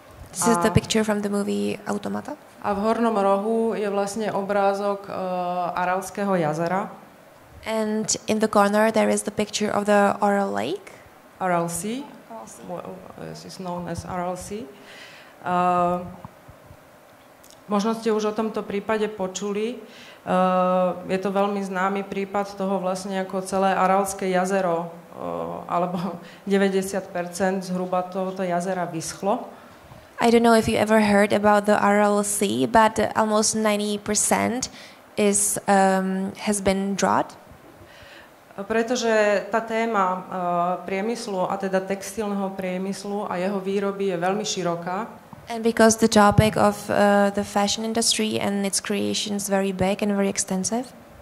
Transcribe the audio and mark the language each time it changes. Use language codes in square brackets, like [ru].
[en] This is the picture from the movie Automata. [sk] A v hornom rohu je vlastne obrázok Aralského jazera. [en] And in the corner there is the picture of the Aral Lake. Aral Sea. Well, it's known as Aral Sea. [sk] Možno ste už o tomto prípade počuli. Je to veľmi známy prípad toho vlastne ako celé Aralské jazero, alebo 90% zhruba tohoto jazera vyschlo. [en] I don't know if you ever heard about the Aral Sea, but almost 90% is has been dried. [sk] Pretože tá téma priemyslu, a teda textilného priemyslu a jeho výroby je veľmi široká. [en] And because the topic of the fashion industry and its creation is very big and very extensive.